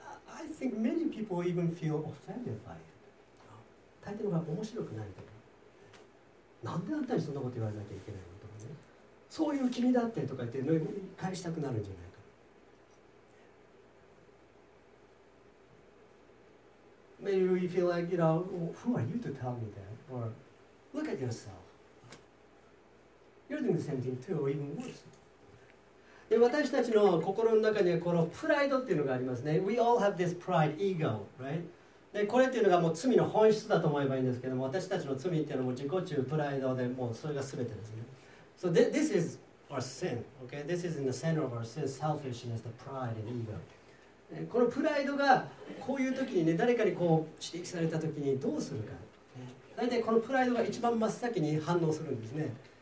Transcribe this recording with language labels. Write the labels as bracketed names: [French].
[English] I think many people even feel offended by it. [Japanese] 大抵の方が面白くないとか、なんであんたにそんなこと言われなきゃいけないのとかね、そういう君だってとか言って返したくなるんじゃないか。 [English] Maybe we feel like, you know, who are you to tell me that? Or look at yourself. You're doing the same thing too, or even worse. [Japanese] で私たちの心の中にはこのプライドっていうのがありますね。 [English] We all have this pride, ego, right? [Japanese] でこれっていうのがもう罪の本質だと思えばいいんですけども、私たちの罪っていうのも自己中、プライドで、もうそれが全てですね。 [English] So this is our sin, okay? This is in the center of our sin, selfishness, the pride and ego. [Japanese] このプライドがこういう時にね、誰かにこう指摘された時にどうするか。大体このプライドが一番真っ先に反応するんですね。